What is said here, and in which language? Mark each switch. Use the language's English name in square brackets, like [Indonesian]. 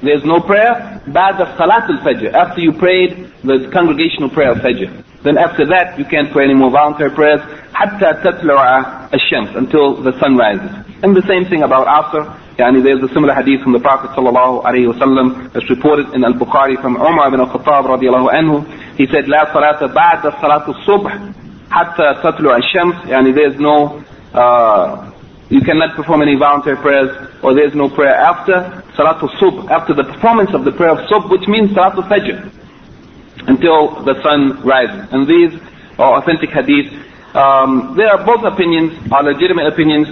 [English] There's no prayer [Arabic] بعد صلاة الفجر. [English] After you prayed the congregational prayer of Fajr, then after that you can't pray any more voluntary prayers. [Arabic] حتى تطلع الشمس, [English] until the sun rises. And the same thing about Asr. Yani there's a similar hadith from the Prophet sallallahu alaihi wasallam that's reported in Al-Bukhari from Umar ibn al-Khattab radiallahu anhu. He said, [Arabic] لا صلاة بعد صلاة الصبح حتى تطلع الشمس. [English] Yani there's no you cannot perform any voluntary prayers, or there is no prayer after Salatul Subh, after the performance of the prayer of Subh, which means Salatul Fajr, until the sun rises. And these are authentic hadith. There are both opinions, are legitimate opinions.